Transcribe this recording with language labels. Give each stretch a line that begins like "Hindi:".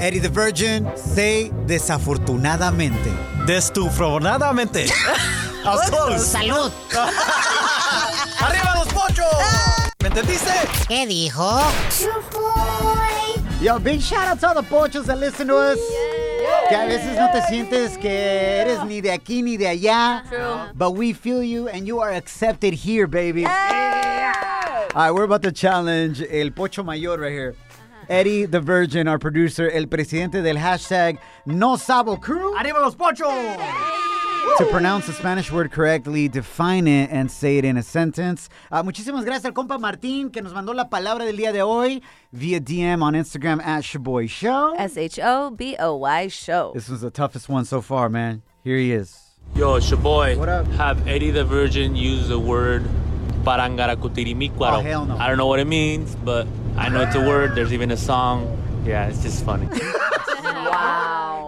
English: Eddie the Virgin, say desafortunadamente.
Spanish: Destufronadamente. A todos. Salud. Arriba los pochos. ¿Me entendiste? ¿Qué dijo?
English: Yo, big shout out to all the pochos that listen to us.
Spanish: Que a veces no te sientes que eres ni de aquí ni de allá.
English: True. But we feel you and you are accepted here, baby. Yeah. All right, we're about to challenge El Pocho Mayor right here. Eddie the Virgin, our producer,
Spanish: el presidente del hashtag
English: No Sabo Crew.
Spanish: Arriba los pochos!
English: To pronounce the Spanish word correctly, define it, and say it in a sentence.
Spanish: Muchísimas gracias al compa Martín, que nos mandó la palabra del día de hoy
English: via DM on Instagram
Spanish: at Shaboy Show.
English: Shoboy Show. This was the toughest one so far, man. Here he is. Yo, Shaboy. What up? Have Eddie the Virgin use the word parangaracutirimícuaro. Oh, hell no. I don't know what it means, but I know it's a word. There's even a song. Yeah, it's just funny. Wow.